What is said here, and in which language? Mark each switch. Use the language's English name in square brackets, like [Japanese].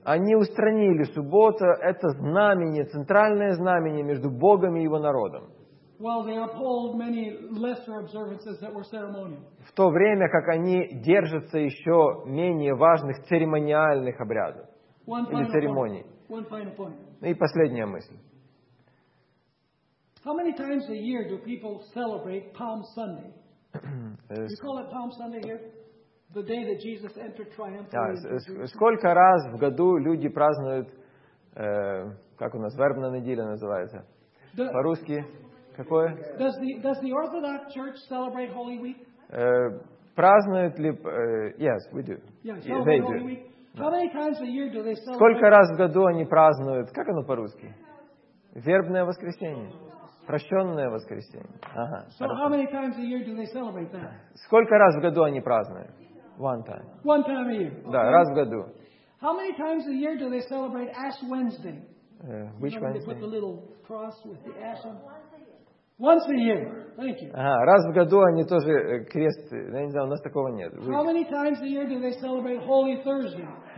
[Russian] Они устранили субботу, это знамение, центральное знамение между Богом и его народом. [English] While they uphold many lesser observances that were ceremonial. [Russian] В то время, как они держатся еще менее важных церемониальных обрядов или церемоний. [English] One final point. [Russian] И последняя мысль. [English] How many times a year do people celebrate Palm Sunday? You call it Palm Sunday here? The day that Jesus entered triumphantly. [Russian] Сколько раз в году люди празднуют, как у нас, вербная неделя называется? По-русски? Какое? [English] Does the Orthodox Church celebrate Holy Week? [Russian] Празднуют ли... [English] Yes, we do. Yeah, they do. How many times a year do they celebrate? [Russian] Сколько раз в году они празднуют, как оно по-русски? Вербное воскресенье. Прощенное воскресенье. Ага, so хорошо. [English] How many times a year do they celebrate that? [Russian] Сколько раз в году они празднуют? [English] One time. One time a year. Okay. [Russian] Да, раз в году. [English] How many times a year do they celebrate Ash Wednesday? Which you know, Wednesday? They put the little cross with the ash on. Once a year. Thank you. [Russian] Ага, раз в году они тоже крест. Я не знаю, у нас такого нет. [English] How many times a year do they celebrate Holy Thursday?